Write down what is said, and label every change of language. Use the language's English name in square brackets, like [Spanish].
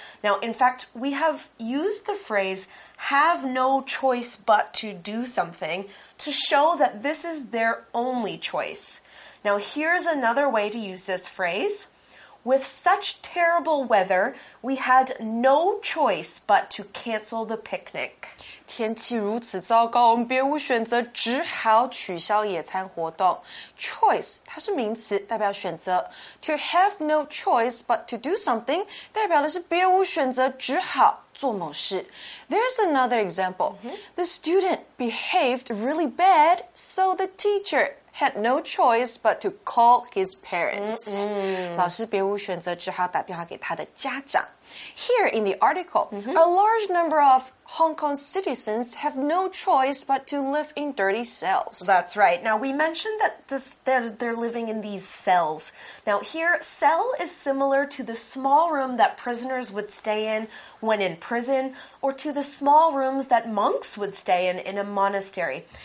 [English] Now, in fact, we have used the phrase... have no choice but to do something to show that this is their only choice. Now, here's another way to use this phrase. With such terrible weather, we had no choice but to cancel the picnic. [Chinese] 天气如此糟糕，我们别无选择，只好取消野餐活动。 Choice, 它是名词，代表选择。 [English] To have no choice but to do something, [Chinese] 代表的是别无选择，只好。 [English] There's another example. The student behaved really bad, so the teacher had no choice but to call his parents. [Chinese] 老师别无选择，只好打电话给他的家长。 [English] Here in the article, a large number of Hong Kong citizens have no choice but to live in dirty cells. That's right. Now, we mentioned that they're living in these cells. Now, here, cell is similar to the small room that prisoners would stay in when in prison, or to the small rooms that monks would stay in a monastery.